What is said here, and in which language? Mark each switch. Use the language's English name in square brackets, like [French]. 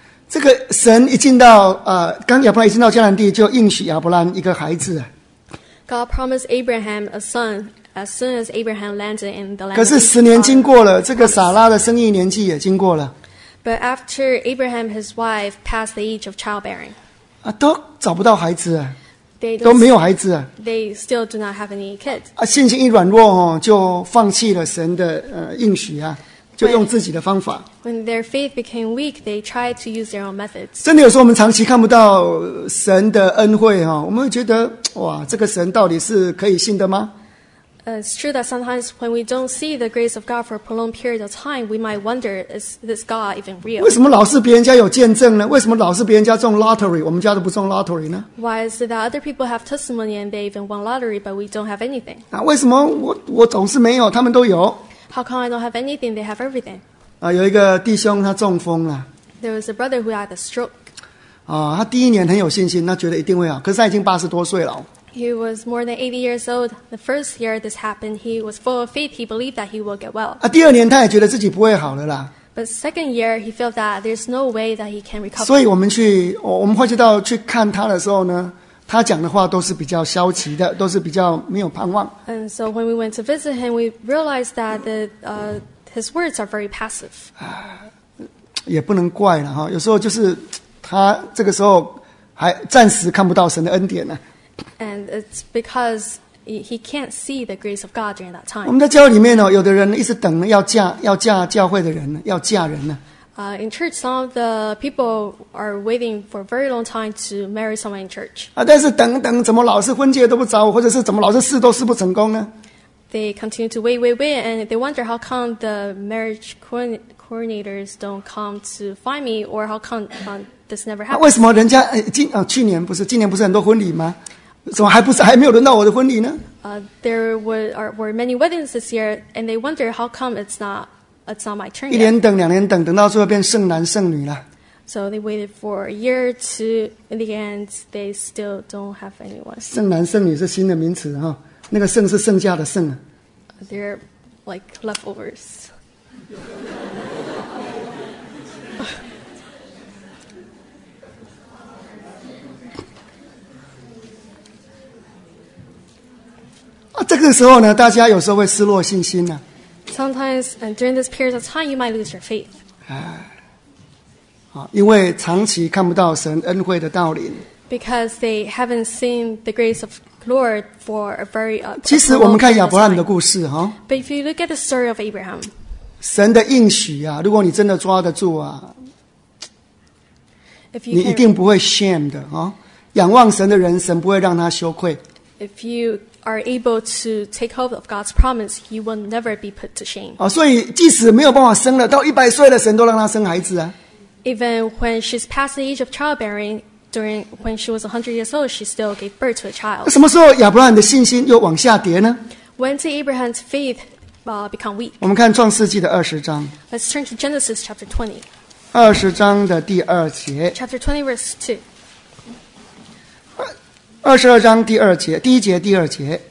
[Chinese] 这个神一进到刚亚伯拉罕一进到迦南地就应许亚伯拉罕一个孩子。 [English] God promised Abraham a son as soon as Abraham landed in the land. [Chinese] 可是十年经过了，这个撒拉的生育年纪也经过了。 [English] But after Abraham his wife passed the age of childbearing. [Chinese] 都找不到孩子啊，都没有孩子啊。 [English] They still do not have any kids. [Chinese] 信心一软弱就放弃了神的应许啊。就用自己的方法。 [English] When their faith became weak, they tried to use their own methods. [Chinese] 真的有时候我们长期看不到神的恩惠我们会觉得哇，这个神到底是可以信的吗？ [English] It's true that sometimes when we don't see the grace of God for a prolonged period of time, we might wonder, is this God even real? [Chinese] 为什么老是别人家有见证呢？为什么老是别人家中 lottery， 我们家都不中 lottery 呢？ [English] Why is it that other people have testimony and they even won lottery, but we don't have anything? [Chinese] 为什么我总是没有，他们都有？ [English] How come I don't have anything? They have everything. [Chinese] 有一个弟兄他中风了。 [English] There was a brother who had a stroke. [Chinese] 他第一年很有信心，他觉得一定会好。可是他已经八十多岁了。 [English] He was more than 80 years old. The first year this happened, he was full of faith. He believed that he will get well. [Chinese] 第二年他也觉得自己不会好了啦。 [English] But second year, he felt that there's no way that he can recover. [Chinese] 所以我们会去到去看他的时候呢。他讲的话都是比较消极的，都是比较没有盼望。 [English] And so when we went to visit him, we realized that his words are very passive. [Chinese] 也不能怪了有时候就是他这个时候还暂时看不到神的恩典呢。 [English] And it's because he can't see the grace of God during that time. [Chinese] 我们在教会里面有的人一直等要嫁教会的人，要嫁人呢。 [English] In church, some of the people are waiting for a very long time to marry someone in church. [Chinese] 但是等，怎么老是婚介都不找，或者是怎么老是试都试不成功呢？ [English] They continue to wait, and they wonder how come the marriage coordinators don't come to find me, or how come this never happens. [Chinese] 为什么人家今年不是很多婚礼吗？怎么还没有轮到我的婚礼呢？ [English] There were many weddings this year, and they wonder how come it's not. It's not my turn yet. [Chinese] 一年等两年等等到最后变剩男剩女了。 [English] So they waited for a year to, in the end, they still don't have anyone. [Chinese] 剩男剩女是新的名词那个剩是剩下的剩。 [English] They're like leftovers. [Chinese] 这个时候呢，大家有时候会失落信心呢。 [English] Sometimes during this period of time, you might lose your faith. [Chinese] 因为长期看不到神恩惠的道临。 [English] Because they haven't seen the grace of Lord for a very long time. [Chinese] 其实我们看亚伯拉罕的故事哈。 [English] But if you look at the story of Abraham, [Chinese] 神的应许啊，如果你真的抓得住啊，你一定不会 shame 的哈。仰望神的人，神不会让他羞愧。 [English] If you are able to take hold of God's promise, you will never be put to shame. [Chinese] 所以即使没有办法生了，到一百岁了，神都让他生孩子啊。 [English] Even when she's past the age of childbearing, when she was 100 years old, she still gave birth to a child. [Chinese] 什么时候亚伯拉罕的信心又往下跌呢？ [English] When did Abraham's faith become weak? [Chinese] 我们看创世纪的二十章。 [English] Let's turn to Genesis chapter 20. [Chinese] 二十章的第二节。 [English] Chapter 20, verse 2. [Chinese] 二十二章第二节，第一节、第二节。